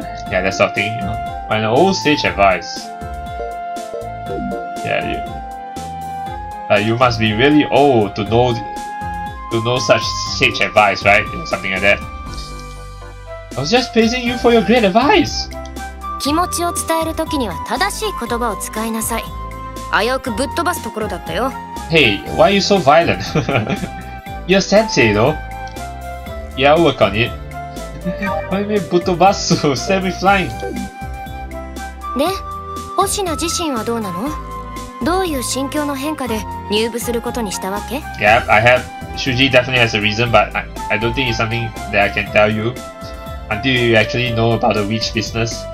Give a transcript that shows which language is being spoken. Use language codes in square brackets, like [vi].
[en] Yeah, that sort of thing, you know, what an old sage advice. Yeah, you must be really old to know such sage advice, right? You know, something like that. I was just praising you for your great advice! [ja] 気持ちを伝えるときには正しい言葉を使いなさい。危うくぶっ飛ばすところだったよ。 [en] Hey, why are you so violent? You're sensei, though. Yeah, I'll work on it. Why are you being ぶっ飛ばす? Send me flying. [ja] で、Hoshina 自身はどうなの? どういう心境の変化で入部することにしたわけ? [en] Yeah, I have... Shuuji definitely has a reason, but I don't think it's something that I can tell you until you actually know about the witch business.